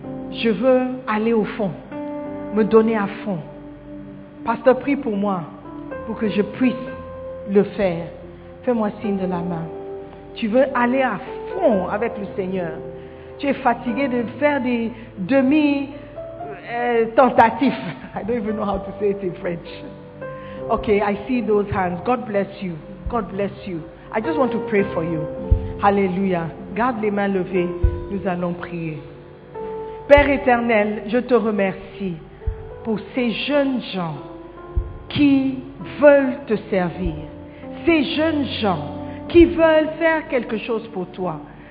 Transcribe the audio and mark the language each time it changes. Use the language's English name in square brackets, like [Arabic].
[French] Je veux aller au fond, me donner à fond. Pasteur, prie pour moi, pour que je puisse le faire. Fais-moi signe de la main. Tu veux aller à fond avec le Seigneur. Tu es fatigué de faire des demi-tentatives. [English] I don't even know how to say it in French. Okay, I see those hands. God bless you. God bless you. I just want to pray for you. [French] Alléluia. Garde les mains levées, nous allons prier. Père éternel, je te remercie pour ces jeunes gens qui veulent te servir. Ces jeunes gens qui veulent faire quelque chose pour toi.